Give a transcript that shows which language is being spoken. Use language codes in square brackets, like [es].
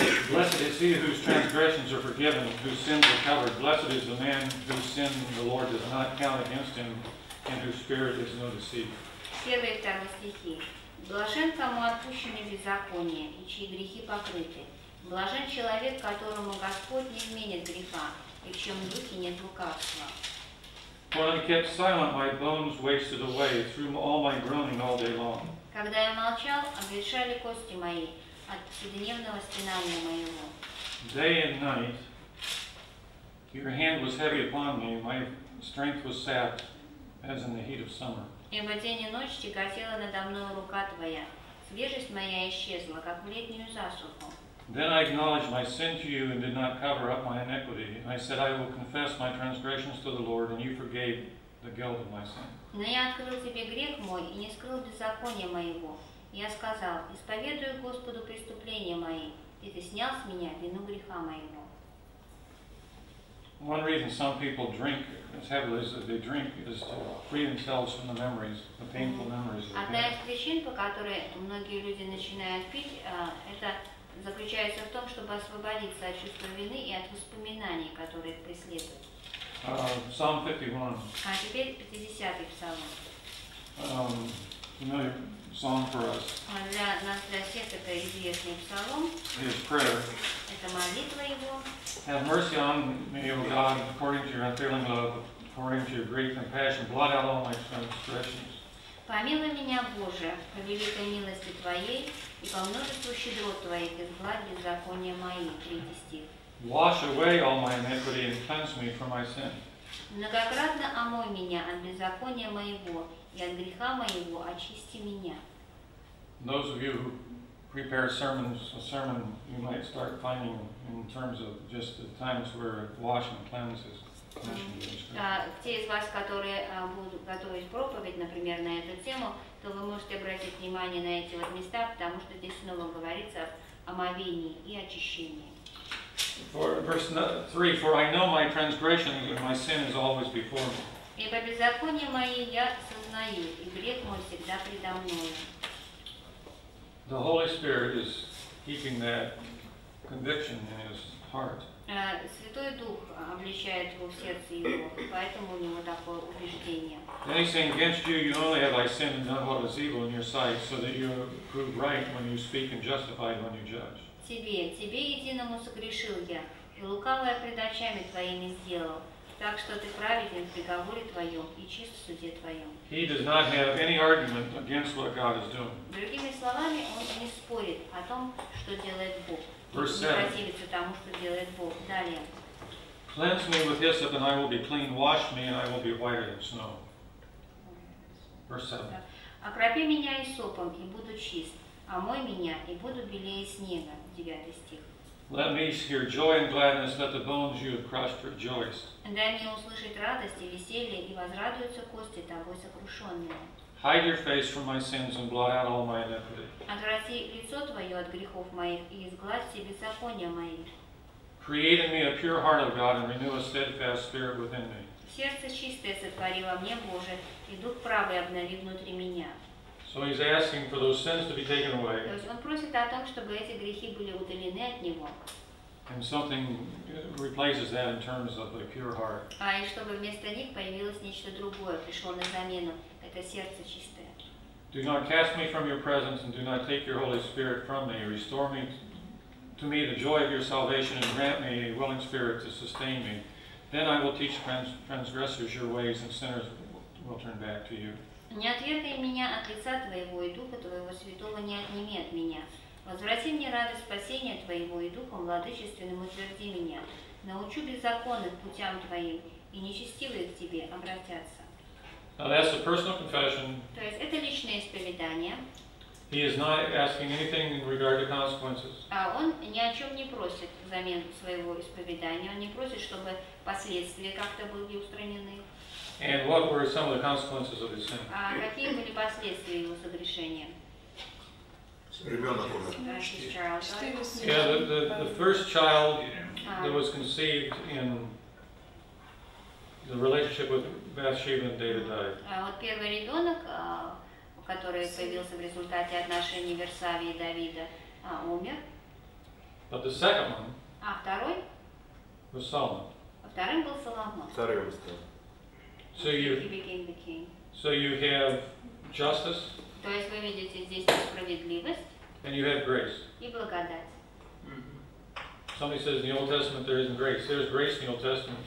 [en] Blessed is he whose transgressions are forgiven, whose sins are covered. Blessed is the man whose sin the Lord does not count against him, and whose spirit is no deceit. [ru] Первые и вторые стихи. Блажен, кому отпущены беззакония, и чьи грехи покрыты. Блажен человек, которому Господь не изменит греха, и в чьем духе нет лукавства. [en] When I kept silent, my bones wasted away through all my groaning all day long. [ru] Когда я молчал, обветшали кости мои от вседневного стенания моего. [en] Day and night, your hand was heavy upon me, my strength was sapped as in the heat of summer. [ru] Ибо день и ночь тяготела надо мной рука твоя, свежесть моя исчезла, как в летнюю засуху. [en] Then I acknowledged my sin to you and did not cover up my iniquity. I said, I will confess my transgressions to the Lord, and you forgave the guilt of my sin. [ru] Но я открыл тебе грех мой и не скрыл беззаконие моего. Я сказал: исповедую Господу преступления мои, и ты снял с меня вину греха моего. [en] One reason some people drink as heavily as they drink is to free themselves from the memories, the painful memories. [ru] Одна из причин, по которой многие люди начинают пить, это заключается в том, чтобы освободиться от чувства вины и от воспоминаний, которые преследуют. [en] Psalm 51. [ru] А теперь 50-й псалом. [en] Familiar song for us. [ru] Для нас, для всех, это известный псалом. [en] His prayer. [ru] Это молитва его. [en] Have mercy on me, O God, according to your unfailing love, according to your great compassion, blot out all my transgressions. [ru] Помилуй меня, Боже, по великой милости Твоей, и по множеству щедрот Твоих изгладь беззакония мои. 3 стих. [en] Wash away all my iniquity and cleanse me from my sin. [ru] Многократно омой меня от беззакония моего и от греха моего, очисти меня. [en] Those of you who prepare sermons, a sermon you might start finding in terms of just the times where wash and cleanse is mentioned. [ru] Те из вас, которые будут готовить проповедь, например, на эту тему, то вы можете обратить внимание на эти вот места, потому что здесь снова говорится о омовении и очищении. [en] Verse 3, for I know my transgression and my sin is always before me. [ru] Ибо беззаконие мои я сознаю, и грех мой всегда предо мною. [en] The Holy Spirit is keeping that conviction in his heart. [ru] Святой Дух обличает его в сердце его, поэтому у него такое убеждение. [en] Then he's saying, against you only have I sinned and done what is evil in your sight, so that you are proved right when you speak and justified when you judge. [ru] Тебе единому согрешил я, и лукавое пред очами твоими сделал, так что ты праведен в приговоре твоем и чист в суде твоем. [en] He does not have any argument against what God is doing. [ru] Другими словами, он не спорит о том, что делает Бог. [en] Verse 7. [ru] Не противится тому, что делает Бог. Далее. [en] Cleanse me with hyssop, and I will be clean. Wash me, and I will be whiter than snow. Verse 7. [ru] Окропи меня иссопом, и буду чист. Омой меня, и буду белее снега. 9 стих. [en] Let me hear joy and gladness, let the bones you have crushed rejoice. [ru] Дай мне услышать радость и веселье, и возрадуются кости тобой сокрушенные. [en] Hide your face from my sins and blot out all my iniquity. [ru] Отврати лицо твое от грехов моих и изгладь все беззакония мои. [en] Create in me a pure heart, O God, and renew a steadfast spirit within me. [ru] Сердце чистое сотвори во мне, Боже, и дух правый обнови внутри меня. [en] So he's asking for those sins to be taken away. [ru] То есть он просит о том, чтобы эти грехи были удалены от него. [en] And something replaces that in terms of a pure heart. [ru] А и чтобы вместо них появилось нечто другое, пришло на замену. Это сердце чистое. [en] Do not cast me from your presence, and do not take your Holy Spirit from me. Restore me to me the joy of your salvation, and grant me a willing spirit to sustain me. Then I will teach transgressors your ways, and sinners will turn back to you. [ru] Не отвергай меня от лица Твоего, и Духа Твоего Святого не отними от меня. Возврати мне радость спасения Твоего, и Духом владычественным утверди меня. Научу беззаконных путям Твоим, и нечестивые к Тебе обратятся. [en] Now that's a personal confession. [ru] То есть это личное исповедание. [en] He is not asking anything in regard to consequences. [ru] А он ни о чем не просит взамен своего исповедания. Он не просит, чтобы последствия как-то были устранены. [en] And what were some of the consequences of his sin? [ru] Какие были последствия его согрешения? Ребенок умер. [en] The first child that was conceived in the relationship with Bathsheba and David died. [ru] Вот первый ребенок, который появился в результате отношений Версавии и Давида, умер. [en] But the second one. [ru] А второй? [en] Was Solomon. [ru] Вторым был Соломон. Второй был Соломон. [en] He became the king. So you have justice. [ru] То есть вы видите здесь справедливость. [en] And you have grace. [ru] И благодать. [en] Somebody says in the Old Testament there isn't grace. There's grace in the Old Testament.